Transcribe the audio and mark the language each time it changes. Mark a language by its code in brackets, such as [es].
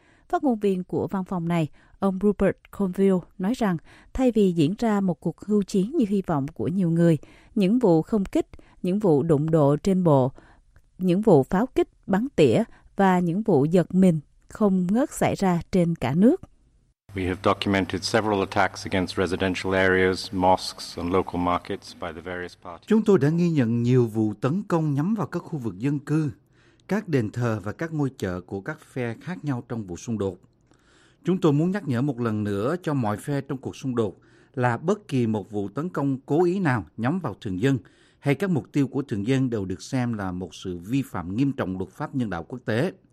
[vi] Phát ngôn viên của văn phòng này, ông Rupert Conville, nói rằng thay vì diễn ra một cuộc hưu chiến như hy vọng của nhiều người, những vụ không kích, những vụ đụng độ trên bộ, những vụ pháo kích bắn tỉa và những vụ giật mình không ngớt xảy ra trên cả nước. [en] We have documented several attacks against residential areas, mosques and local markets by the various parties. [vi] Chúng tôi đã ghi nhận nhiều vụ tấn công nhắm vào các khu vực dân cư, các đền thờ và các ngôi chợ của các phe khác nhau trong vụ xung đột. Chúng tôi muốn nhắc nhở một lần nữa cho mọi phe trong cuộc xung đột là bất kỳ một vụ tấn công cố ý nào nhắm vào thường dân hay các mục tiêu của thường dân đều được xem là một sự vi phạm nghiêm trọng luật pháp nhân đạo quốc tế.